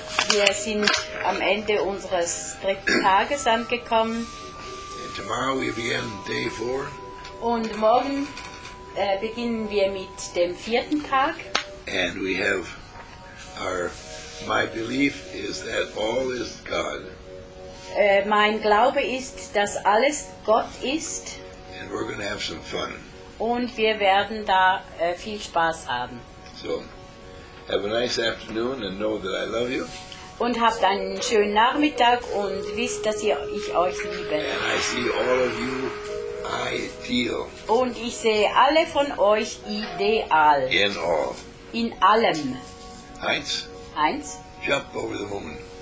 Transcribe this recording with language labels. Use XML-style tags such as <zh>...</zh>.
<de>Wir sind am Ende unseres dritten Tages angekommen.</de> <en>And tomorrow we begin day four.</en> <de>Und morgen beginnen wir mit dem vierten Tag.</de> <en>And we have our My belief is that all is God.</en> <de>Mein Glaube ist, dass alles Gott ist.</de> <en>And we're going to have some fun.</en> <de>Und wir werden da viel Spaß haben.</de> <en>So, have a nice afternoon and know that I love you.</en> <de>Und habt einen schönen Nachmittag und wisst, dass ich euch liebe.</de> <en>And I see all of you ideal.</en> <de>Und ich sehe alle von euch ideal.</de> <en>In all.</en> <de>In allem. Heinz. Heinz.</de> <en>Jump over the moon.</en>